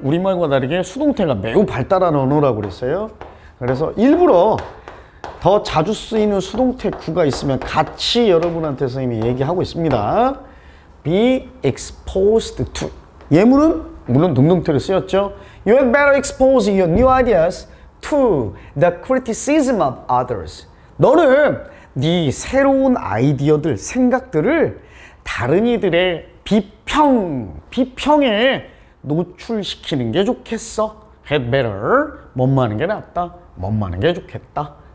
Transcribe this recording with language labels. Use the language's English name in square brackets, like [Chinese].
[Korean] 우리말과 다르게 수동태가 매우 발달한 언어라고 그랬어요. 그래서 일부러 더 자주 쓰이는 수동태 구가 있으면 같이 여러분한테 선생님이 얘기하고 있습니다. [English] Be exposed to. [Korean] 예문은 물론 능동태를 쓰였죠. [English] You had better expose your new ideas to the criticism of others. [Korean] 너는 네 새로운 아이디어들, 생각들을 다른 이들의 비평에 노출시키는 게 좋겠어. Had better. 못 마는 게 낫다. 못 마는 게 좋겠다.